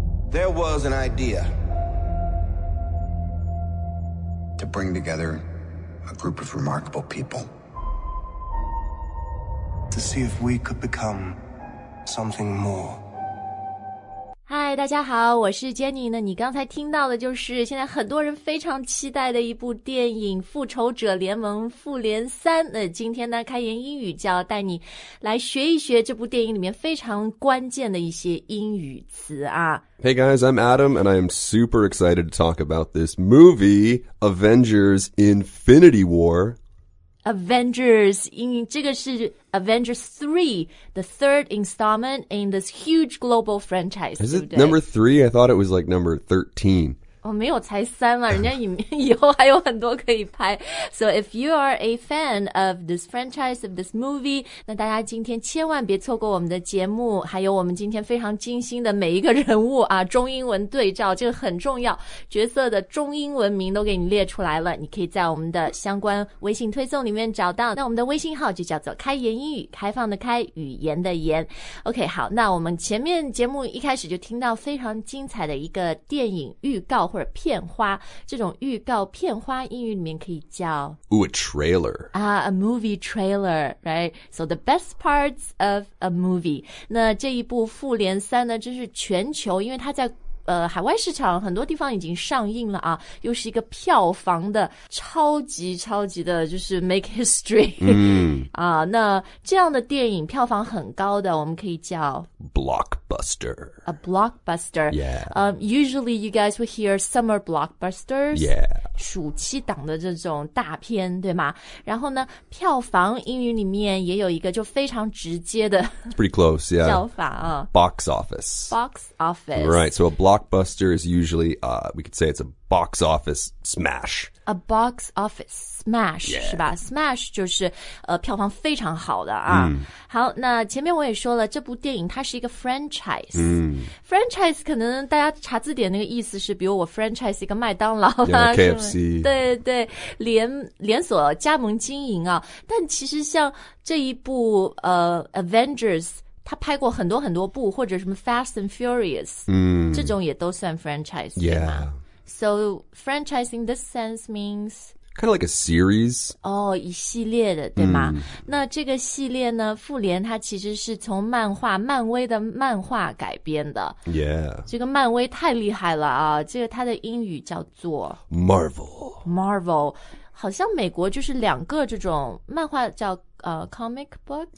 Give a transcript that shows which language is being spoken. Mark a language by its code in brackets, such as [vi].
[en] There was an idea to bring together a group of remarkable people to see if we could become something more. Hi, [zh] 大家好，我是 Jenny 呢。你刚才听到的就是现在很多人非常期待的一部电影《复仇者联盟：复联三》。今天呢，开言英语就要带你来学一学这部电影里面非常关键的一些英语词啊。 [en] Hey guys, I'm Adam, and I am super excited to talk about this movie, Avengers: Infinity War. Avengers, [zh] 这个是 [en] Avengers 3, the third installment in this huge global franchise. Is it number 3? I thought it was like number 13. Oh, [zh] 没有才三了，人家以后还有很多可以拍。 [en] So if you are a fan of this franchise, of this movie, [zh] 那大家今天千万别错过我们的节目，还有我们今天非常精心的每一个人物啊，中英文对照，这个很重要，角色的中英文名都给你列出来了，你可以在我们的相关微信推送里面找到。那我们的微信号就叫做开言英语，开放的开，语言的言。 [en] OK, [zh] 好，那我们前面节目一开始就听到非常精彩的一个电影预告或者片花，这种预告片花英语里面可以叫 [en] Ooh, a trailer. A movie trailer, right? So the best parts of a movie. [zh] 那这一部复联三呢，真是全球，因为它在海外市场很多地方已经上映了啊，又是一个票房的超级超级的，就是 [en] make history. [zh] 那这样的电影票房很高的，我们可以叫 [en] blockbuster. A blockbuster. Yeah. Usually you guys will hear summer blockbusters. Yeah. [zh] 暑期档的这种大片，对吗？然后呢，票房英语里面也有一个就非常直接的 [en] It's pretty close, yeah. [zh] 叫法啊。 [en] Box office. Box office. Right, so a blockbuster is usually, we could say it's a box office smash. A box office smash,、 yeah. [zh] 是吧 ?Smash 就是、票房非常好的啊。好，那前面我也说了，这部电影它是一个 franchise.、 Mm. Franchise 可能大家查字典那个意思是，比如我 franchise 一个麦当劳啊、 [en] yeah, KFC. [zh] 对对，连锁加盟经营啊。但其实像这一部、Avengers,他拍过很多很多部，或者什么 Fast and Furious,、这种也都算 franchise, [en] yeah. [zh] 对吗 [en] So, franchise in this sense means... Kind of like a series. [zh] 哦、oh, 一系列的对吗、那这个系列呢复联它其实是从漫画漫威的漫画改编的。 [en] Yeah. [zh] 这个漫威太厉害了啊，这个它的英语叫做 [en] Marvel. Marvel. [zh] 好像美国就是两个这种漫画叫、comic books?